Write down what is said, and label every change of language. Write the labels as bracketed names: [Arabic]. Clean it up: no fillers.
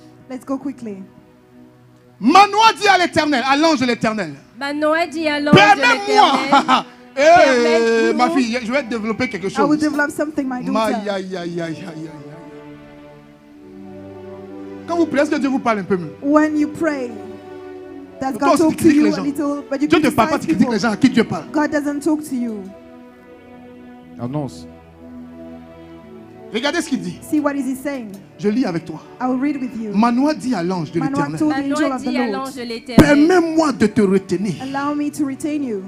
[English] Let's go quickly. [French] Manoah dit à l'Éternel, à l'ange de l'Éternel. Manoah dit à l'ange de l'Éternel. Permets-moi. Ma fille, je vais développer quelque chose. [English] I will develop something, my daughter. [French] Quand vous priez, est-ce que Dieu vous parle un peu mieux? [English] When you pray, does God talk to you a little? But you [French] Dieu ne parle pas, tu critiques les gens à qui Dieu parle. [English] God doesn't talk to you. [French] Annonce. Regardez ce qu'il dit. [English] See what is he saying? [French] Je lis avec toi. [English] I will read with you. [French] Manoah dit à l'ange de l'Éternel. Manoah dit à l'ange de l'Éternel. Permets-moi de te retenir. [English] Allow me to retain you.